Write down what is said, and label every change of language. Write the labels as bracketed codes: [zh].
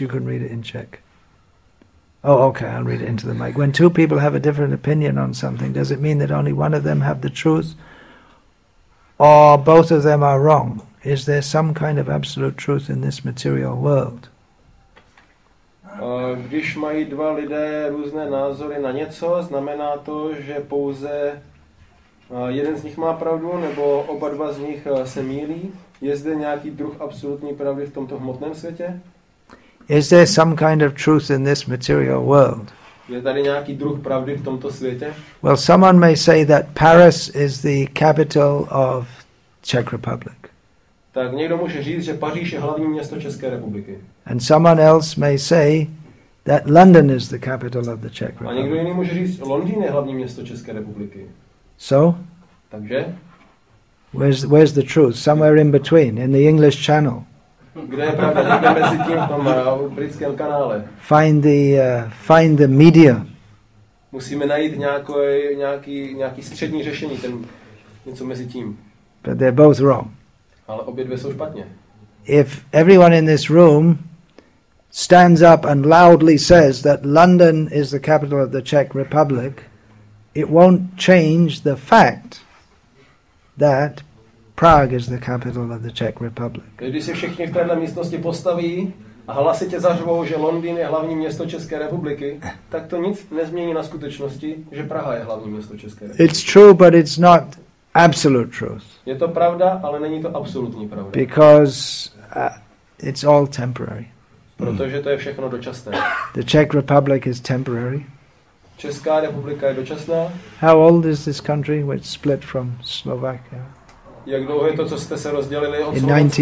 [en] You can read it in Czech. Oh, okay, I'll read it into the mic. When two people have a different opinion on something, does it mean that only one of them have the truth? Or both of them are wrong? Is there some kind of absolute truth in this material world? [cs] Když mají dva lidé různé názory na něco, znamená to, že pouze jeden z nich má pravdu, nebo oba dva z nich se mýlí? Je zde nějaký druh absolutní pravdy v tomto hmotném světě? [en] Is there some kind of truth in this material world? [cs] Je tady nějaký druh pravdy v tomto světě? [en] Well, someone may say that Paris is the capital of Czech Republic. [cs] Tak někdo může říct, že Paříž je hlavní město České republiky. [en] And someone else may say that London is the capital of the Czech Republic. [cs] A někdo jiný může říct, Londýn je hlavní město České republiky. [en] So? [cs] Takže? [en] Where's the truth? Somewhere in between, in the English Channel. [cs] Kde je pravda někde mezi tím v tom britském kanále? [en] Find the media. [cs] Musíme najít nějaký střední řešení, ten něco mezi tím. [en] But they're both wrong. [cs] Ale obě dvě jsou špatně. [en] If everyone in this room stands up and loudly says that London is the capital of the Czech Republic, it won't change the fact that Prague is the capital of the Czech Republic. [cs] Když se všichni v téhle místnosti postaví a hlasitě zařvou, že Londýn je hlavní město České republiky, tak to nic nezmění na skutečnosti, že Praha je hlavní město České republiky. [en] It's true, but it's not absolute truth. [cs] Je to pravda, ale není to absolutní pravda. [en] Because it's all temporary. [cs] Protože to je všechno dočasné. [en] The Czech Republic is temporary. [cs] Česká republika je dočasná. [en] How old is this country which split from Slovakia? [cs] Jak dlouho je to, co jste se rozdělili od Slovenska?